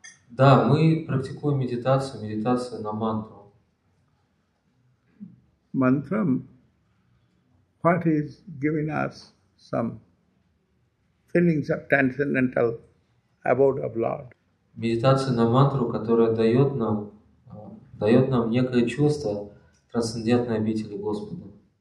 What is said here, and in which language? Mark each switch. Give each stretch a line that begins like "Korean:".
Russian: Да, мы практикуем медитацию на мантру.
English: Mantra, what is giving us some feelings of transcendental abode of Lord.
Russian: Медитация на мантру, которая дает нам некое чувство трансцендентной обители Господа.